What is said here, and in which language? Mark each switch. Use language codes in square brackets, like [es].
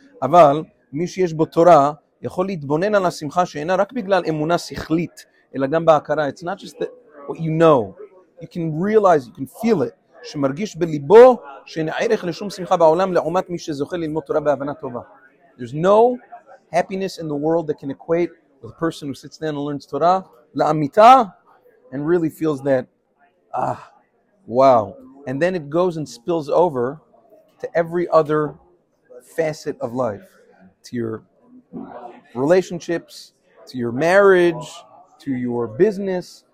[he] אבל מי שיש בו תורה יכול להתבונן על השמחה שאינה רק בגלל אמונה שכלית, אלא גם בהכרה. [en] It's not just that what you know. You can realize, you can feel it. [he] שמרגיש בליבו שאין ערך לשום שמחה בעולם לעומת מי שזוכה ללמוד תורה בהבנה טובה. [en] There's no happiness in the world that can equate with a person who sits down and learns Torah la'amita and really feels that, ah, wow. And then it goes and spills over to every other facet of life, to your relationships, to your marriage, to your business.